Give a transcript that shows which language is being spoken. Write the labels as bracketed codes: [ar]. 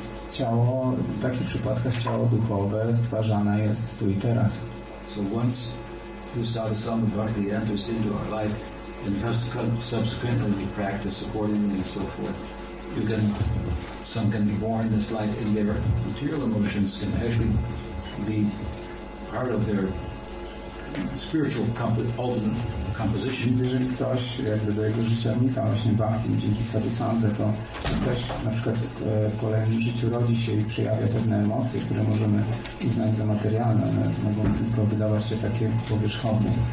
[pl] Ciało, w takich przypadkach ciało duchowe stwarzane jest tu i teraz. [en] So once through sadhasanga bhakti enters into our life and subsequently we practice accordingly and so forth, some can be born in this life and their material emotions can actually be part of their spiritual ultimate composition. [pl] Jeżeli ktoś jakby do jego życia wnika właśnie bhakti dzięki sadhusandze, to też na przykład w kolejnym życiu rodzi się i przejawia pewne emocje, które możemy uznać za materialne, one mogą tylko wydawać się takie powierzchowne.